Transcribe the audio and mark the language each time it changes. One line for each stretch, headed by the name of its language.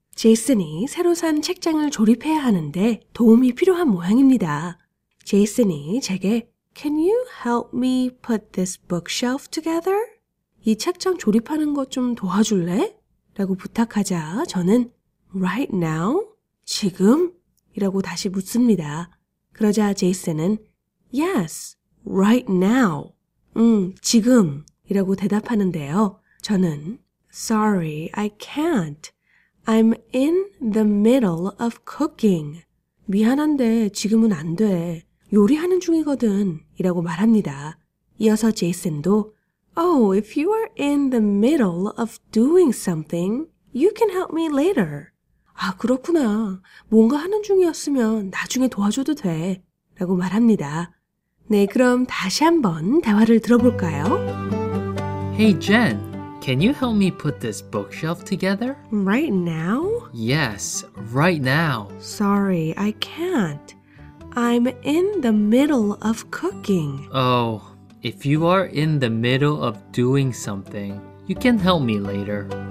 Korean: Jason이 새로 산 책장을 조립해야 하는데 도움이 필요한 모양입니다. Jason이 제게
English: Can you help me put this bookshelf together?
Korean: 이 책장 조립하는 것 좀 도와줄래? 라고 부탁하자 저는
English: Right now?
Korean: 지금? 이라고 다시 묻습니다. 그러자 Jason은
English: Yes, right now.
Korean: 지금 이라고 대답하는데요.
English: 저는 Sorry, I can't. I'm in the middle of cooking.
Korean: 미안한데 지금은 안 돼. 요리하는 중이거든 이라고 말합니다. 이어서 제이슨도
English: Oh, if you are in the middle of doing something, you can help me later.
Korean: 아, 그렇구나. 뭔가 하는 중이었으면 나중에 도와줘도 돼 라고 말합니다. 네, 그럼 다시 한번 대화를 들어볼까요?
English: Hey, Jen, can you help me put this bookshelf together? Right now? Yes, right now. Sorry, I can't. I'm in the middle of cooking. Oh, if you are in the middle of doing something, you can help me later.